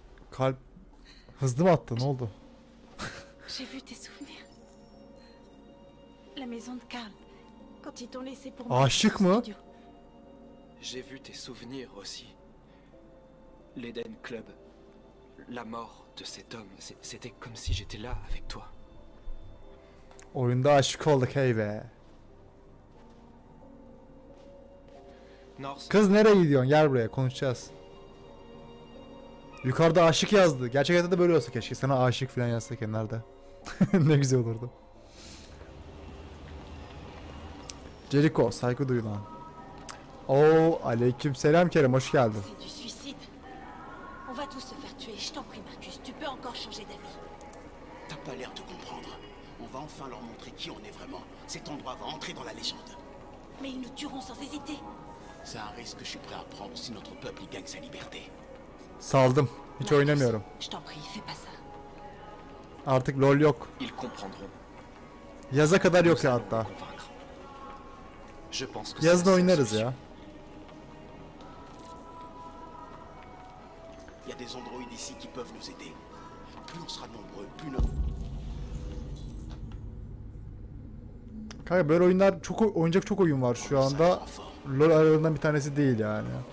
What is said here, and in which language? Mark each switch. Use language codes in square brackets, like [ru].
[tr] Kalp hızlı mı attı? Ne oldu? [fr] J'ai vu tes souvenirs. La maison de Karl. Quand ils t'ont laissé pour [tr] Aşık mı? [fr] studio. J'ai vu tes souvenirs aussi. L'Eden Club. La mort de cet homme. C'était comme si j'étais là avec toi. [tr] Oyunda aşık olduk hey be. Kız nereye gidiyorsun? Gel buraya konuşacağız. Yukarıda aşık yazdı. Gerçek hayatta da böyle olsa keşke. Sana aşık falan yazsa kenarda. Ne güzel olurdu. Jericho, saygı duy lan. Oo, aleyküm selam Kerem, hoş geldin. [fr] On va tous se faire tuer. Je t'en prie Marcus, tu peux encore changer d'avis. T'as pas l'air de comprendre. On va enfin leur montrer qui on est vraiment. Cet endroit va entrer dans la légende. Mais ils nous tueront sans hésiter. C'est un risque que je suis prêt à prendre si notre peuple gagne sa liberté. [tr] Saldım. Hiç [fr] Marcus, [tr] oynamıyorum. [fr] Je t'en prie, fais pas ça. [tr] Artık LOL yok. [fr] Ils comprendront. [tr] Yaza kadar yok ya hatta. [fr] Je pense que [tr] yazın oynarız ya. [fr] Il y a des androïdes ici qui peuvent nous aider. Plus on sera nombreux, plus nous. [tr] Kanka böyle oyunlar çok oynayacak çok oyun var şu anda. LoL aralarından bir tanesi değil yani.